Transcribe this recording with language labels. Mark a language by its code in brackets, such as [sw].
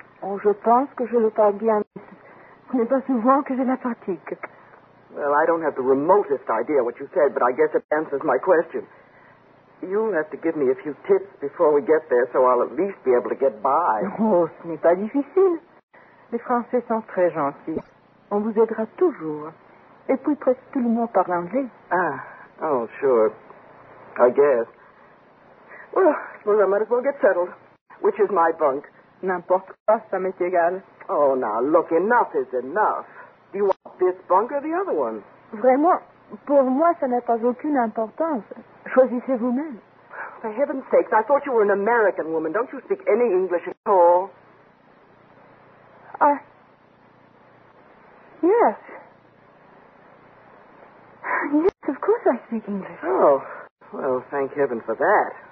[fr] Oh, je pense que je le parle bien. Mais pas souvent que je la pratique. [en] Well, I don't have the remotest idea what you said, but I guess it answers my question. You'll have to give me a few tips before we get there, so I'll at least be able to get by. [fr] Oh, ce n'est pas difficile. Les Français sont très gentils. On vous aidera toujours. Et puis presque tout le monde parle anglais. [en] Ah, oh, sure. I guess. Well, I suppose I might as well get settled. Which is my bunk? [fr] N'importe quoi, ça m'est égal. [en] Oh, now, look, enough is enough. Do you want this bunk or the other one? [fr] Vraiment, pour moi, ça n'a pas aucune importance. Choisissez vous-même. [en] For heaven's sakes, I thought you were an American woman. Don't you speak any English at all? Yes. Yes, of course I speak English. Oh, well, thank heaven for that.